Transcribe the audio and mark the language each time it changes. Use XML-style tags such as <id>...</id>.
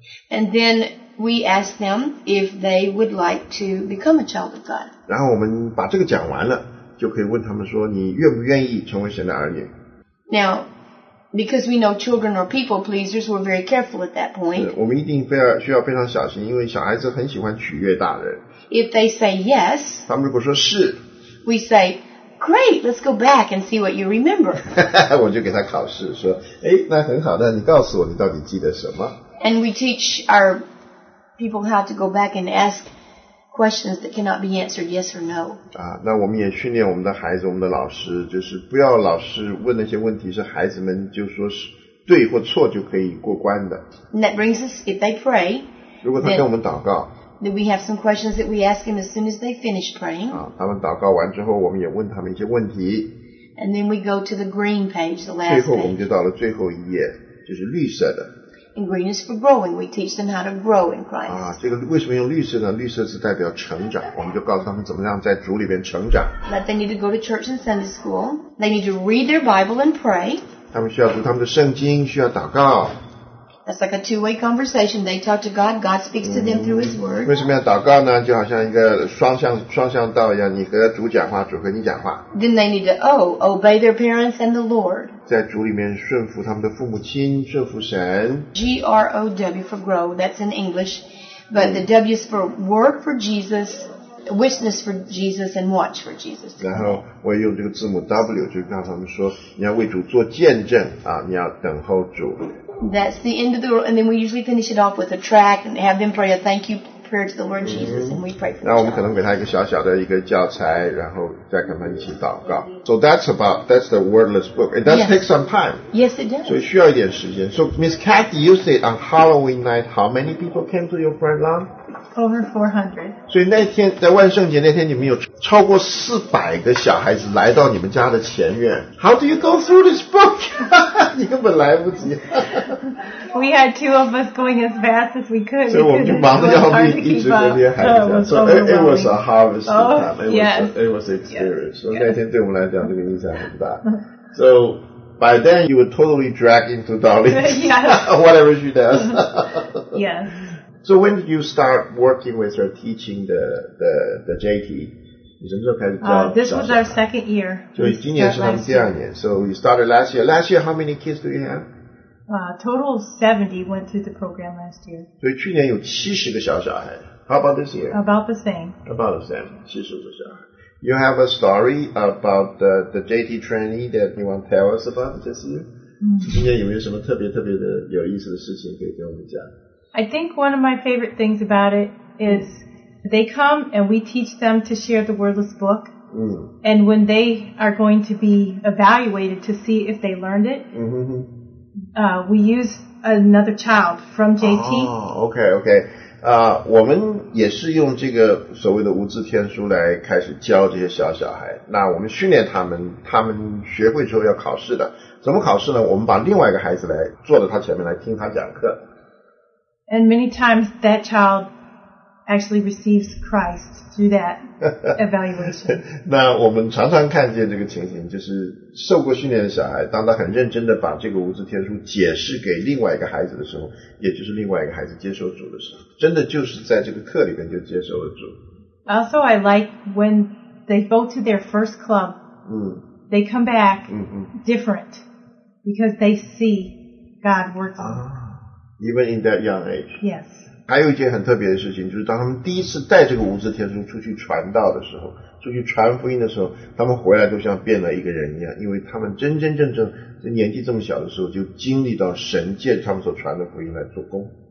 <en>And then we ask them if they would like to become a child of God.</en> <zh>然后我们把这个讲完了，就可以问他们说：“你愿不愿意成为神的儿女</zh> <en>？”Now. Because we know children are people pleasers, we're very careful at that point.</en> <zh>我们一定需要非常小心，因为小孩子很喜欢取悦大人。</zh> <en>If they say yes,</en> <zh>他们如果说是</zh> <en>we say, great, let's go back and see what you remember.</en> <zh>我就给他考试说，哎，那很好，那你告诉我你到底记得什么。</zh> <en>And we teach our people how to go back and ask questions that cannot be answered yes or no.</en> <zh>那我们也训练我们的孩子我们的老师就是不要老师问那些问题是孩子们就说是对或错就可以过关的。</zh> <en>And that brings us, if they pray,</en> <zh>如果他跟我们祷告</zh> <en>then we have some questions that we ask him as soon as they finish praying.</en> <zh>他们祷告完之后我们也问他们一些问题。</zh> <en>And then we go to the green page, the last page.</en> <zh>最后我们就到了最后一页就是绿色的。</zh> <en>And green is for growing. We teach them how to grow in Christ.</en> <zh>这个为什么用绿色呢？绿色是代表成长，我们就告诉他们怎么样在主里边成长。</zh> <en>That they need to go to church and Sunday school. They need to read their Bible and pray.</en> <zh>他们需要读他们的圣经，需要祷告。</zh> <en>That's like a two-way conversation. They talk to God. God speaks to them through His Word.</en> <zh>为什么要祷告呢？就好像一个双向道一样，你和主讲话，主和你讲话。</zh> <en>Then they need to obey their parents and the Lord.</en> <zh>在主里面顺服他们的父母亲，顺服神。</zh> <en>G-R-O-W for grow. That's in English, but the W is for work for Jesus, witness for Jesus, and watch for Jesus.</en> <zh>然后我也用这个字母 W， 就是告诉他们说，你要为主做见证你要等候主。</zh> <en>That's the end of the, and then we usually finish it off with a track and have them pray a thank you prayer. prayer to the Lord Jesus, and we pray for.</en> <zh>那我们可能给他一个小小的一个教材，然后再跟他一起祷告。</zh> <en>So that's about that's the wordless book. It does take some time. Yes, it does.</en> <zh>所以需要一点时间。</zh> <en>So Miss Kathy, you said on Halloween night, how many people came to your prayer line? Over 400.</en> <zh>所以那天在万圣节那天，你们有超过四百个小孩子来到你们家的前院。</zh> <en>How do you go through this book?</en> <zh>你根本来不及。</zh> <en>We had two of us going as fast as we could.</en> <zh>所以我们就忙得要命，一直在那边喊着。</zh> <en>So it was a harvest time. It was experience.</en> <zh>所以那天对我们来讲，这个印象很大。</zh> <en>So by then you were totally dragged into Dolly. Yeah. Whatever she does. Yes. So when did you start working with her teaching the JT?</en> <zh>你什么时候开始教？</zh> <en>This was our second year.</en> <zh>所以今年是他们第二年。</zh> <en>So you started last year. Last year, how many kids do you have? Total 70 went through the program last year.</en> <zh>所以去年有70个小小孩。</zh> <en>How about this year? About the same. About the same, 70</en> <zh>个小孩。</zh> <en>You have a story about the JT trainee that you want to tell us about this year?</en> <zh>今年有没有什么特别特别的有意思的事情可以跟我们讲？</zh> <en>I think one of my favorite things about it is they come and we teach them to share the wordless book. Mm. And when they are going to be evaluated to see if they learned it, mm-hmm. We use another child from JT. Okay.</en> <zh>我们也是用这个所谓的无字天书来开始教这些小小孩。那我们训练他们，他们学会之后要考试的。怎么考试呢？我们把另外一个孩子来坐在他前面来听他讲课。</zh> <en>And many times that child actually receives Christ through that evaluation.</en> <zh>那我们常常看见这个情形，就是受过训练的小孩，当他很认真的把这个无字天书解释给另外一个孩子的时候，也就是另外一个孩子接受主的时候，真的就是在这个课里面就接受了主。</zh> <en>Also, I like when they go to their first club. Mm. They come back different because they see God working. Even in that young age. Yes.</en> <zh>还有一件很特别的事情，就是当他们第一次带这个无字天书出去传道的时候，出去传福音的时候，他们回来都像变了一个人一样，因为他们真真正正在年纪这么小的时候就经历到神借他们所传的福音来做工。</zh>